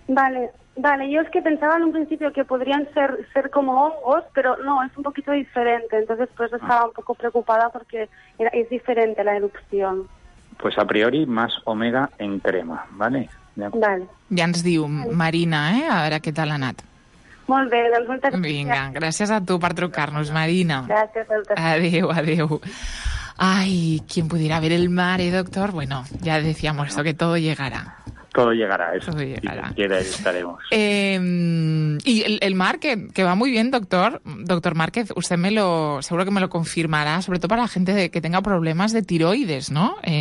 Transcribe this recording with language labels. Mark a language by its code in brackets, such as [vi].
[es] Vale. Yo es que pensaba en un principio que podrían ser como hongos, pero no, es un poquito diferente. Entonces, pues estaba un poco preocupada porque es diferente la erupción. Pues a priori, Más Omega en crema, ¿vale? Vale. Ya nos diu Marina, ¿eh? A ver qué tal [ca] ha anat. Molt bé, doncs moltes gràcies. Vinga, gràcies a tu per trucar-nos, Marina. Gràcies, adéu, adéu. [es] Ai, quien pudiera ver el mar, doctor? Bueno, ya decíamos esto, que todo llegará. Todo llegará. Si quiere, estaremos. Y el mar, que va muy bien, doctor. Doctor Márquez, usted seguro que me lo confirmará, sobre todo para la gente que tenga problemas de tiroides, ¿no?